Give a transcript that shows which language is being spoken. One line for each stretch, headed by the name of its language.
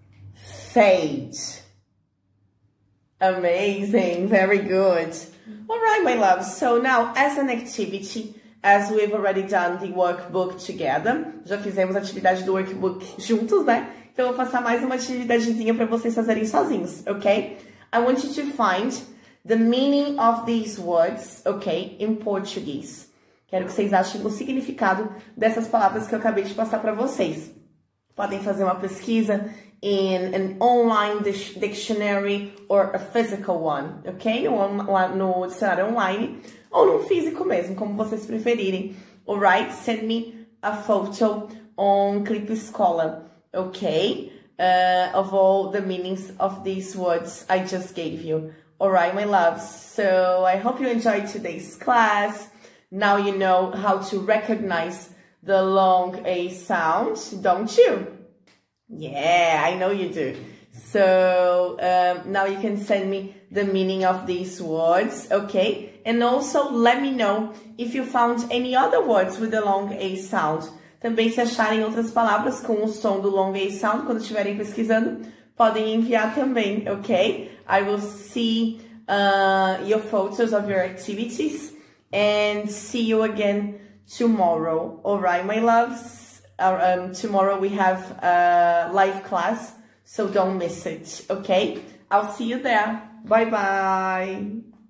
English: Fade. Amazing, very good. All right, my love. So now, as an activity, as we've already done the workbook together,
Portuguese: já fizemos a atividade do workbook juntos, né? Então, eu vou passar mais uma atividadezinha para vocês fazerem sozinhos, ok?
English: I want you to find the meaning of these words, ok? In Portuguese.
Portuguese: Quero que vocês achem o significado dessas palavras que eu acabei de passar para vocês. Podem fazer uma pesquisa
English: in an online dictionary or a physical one, ok?
Portuguese: Ou lá no dicionário online ou no físico mesmo, como vocês preferirem.
English: Alright, send me a photo on Clip Escola, ok? Of all the meanings of these words I just gave you. Alright, my loves. So I hope you enjoyed today's class. Now you know how to recognize the long A sound, don't you? Yeah, I know you do. So now you can send me the meaning of these words, okay? And also let me know if you found any other words with the long A sound.
Portuguese: Também se acharem outras palavras com o som do long A sound, quando estiverem pesquisando, podem enviar também, okay?
English: I will see your photos of your activities and see you again tomorrow. All right, my loves. Tomorrow we have a live class, so don't miss it, okay? I'll see you there. Bye bye.